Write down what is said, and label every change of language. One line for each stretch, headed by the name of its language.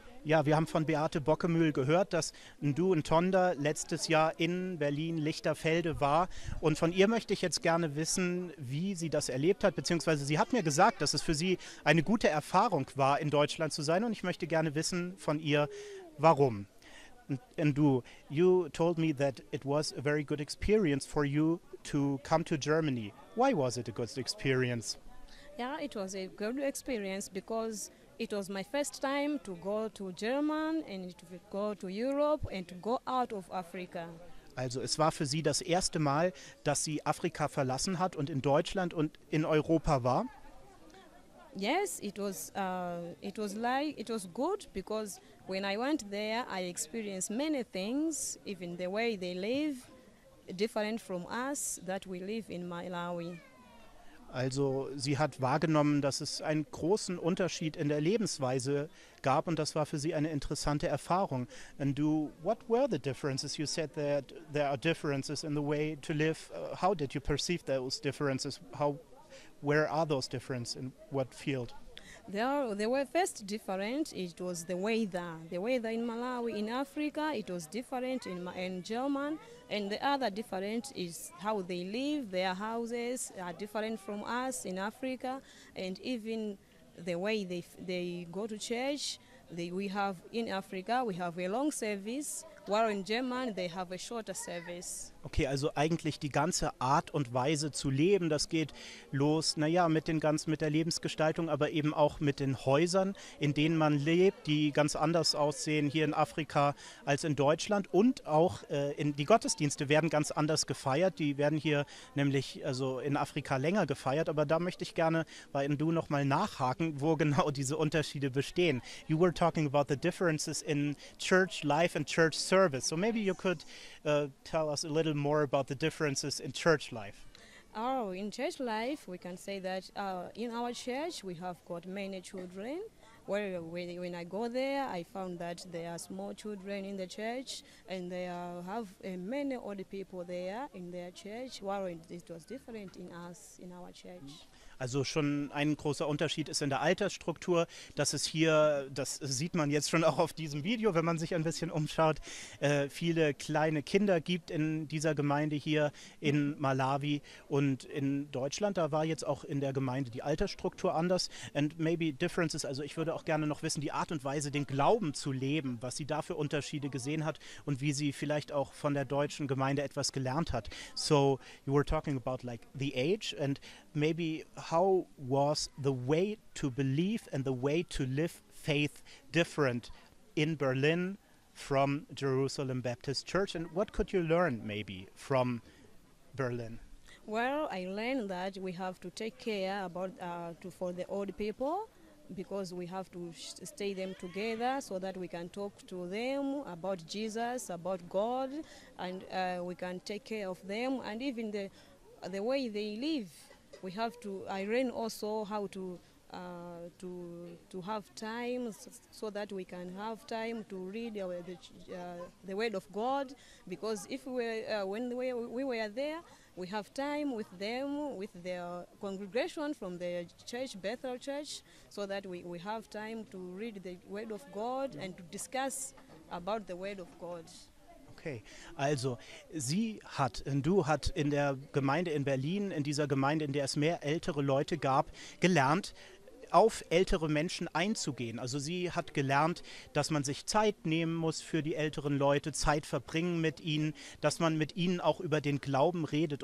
German: Ja, wir haben von Beate Bockemühl gehört, dass Ndu Ntonda letztes Jahr in Berlin-Lichterfelde war. Und von ihr möchte ich jetzt gerne wissen, wie sie das erlebt hat. Beziehungsweise sie hat mir gesagt, dass es für sie eine gute Erfahrung war, in Deutschland zu sein. Und ich möchte gerne wissen von ihr, warum.
English: Ndu, you told me that it was a very good experience for you to come to Germany. Why was it a good experience? Yeah, it was a good experience because it was my first time to go to Germany and to go to Europe and to go out of Africa.
German: Also es war für Sie das erste Mal, dass Sie Afrika verlassen hat und in Deutschland und in Europa war?
English: Yes, it was good because when I went there, I experienced many things, even the way they live, different from us that we live in Malawi.
German: Also sie hat wahrgenommen, dass es einen großen Unterschied in der Lebensweise gab und das war für sie eine interessante Erfahrung.
English: And do, what were the differences? You said that there are differences in the way to live. How did you perceive those differences? Where are those differences? In what field? They were first different. It was the weather. The weather in Malawi, in Africa, it was different in German. And the other different is how they live. Their houses are different from us in Africa. And even the way they go to church, we have in Africa, we have a long service. While in German, they have a shorter service.
German: Okay, also eigentlich die ganze Art und Weise zu leben, das geht los, naja, mit der Lebensgestaltung, aber eben auch mit den Häusern, in denen man lebt, die ganz anders aussehen hier in Afrika als in Deutschland. Und auch die Gottesdienste werden ganz anders gefeiert. Die werden hier nämlich also in Afrika länger gefeiert. Aber da möchte ich gerne bei Ndu nochmal nachhaken, wo genau diese Unterschiede bestehen.
English: You were talking about the differences in church life and church service. So maybe you could tell us a little more about the differences in church life. Oh, in church life, we can say that in our church we have got many children. When I go there, I found that there are small children in the church and they have many old people there in their church. While it was different in us, in our church.
German: Also schon ein großer Unterschied ist in der Altersstruktur, dass es hier, das sieht man jetzt schon auch auf diesem Video, wenn man sich ein bisschen umschaut, viele kleine Kinder gibt in dieser Gemeinde hier in Malawi und in Deutschland. Da war jetzt auch in der Gemeinde die Altersstruktur anders.
English: And maybe differences,
German: also ich würde auch gerne noch wissen, die Art und Weise, den Glauben zu leben, was sie da für Unterschiede gesehen hat und wie sie vielleicht auch von der deutschen Gemeinde etwas gelernt hat.
English: So you were talking about like the age and maybe how was the way to believe and the way to live faith different in Berlin from Jerusalem Baptist Church? And what could you learn maybe from Berlin? Well, I learned that we have to take care about for the old people, because we have to stay them together so that we can talk to them about Jesus, about God, and we can take care of them. And even the way they live, we have to, I learn also how to have time so that we can have time to read the word of God, because if we when we were there, we have time with them, with their congregation from the church, Bethel Church, so that we have time to read the word of God and to discuss about the word of God.
German: Okay, also sie hat, du hat in der Gemeinde in Berlin, in dieser Gemeinde, in der es mehr ältere Leute gab, gelernt, auf ältere Menschen einzugehen. Also sie hat gelernt, dass man sich Zeit nehmen muss für die älteren Leute, Zeit verbringen mit ihnen, dass man mit ihnen auch über den Glauben redet.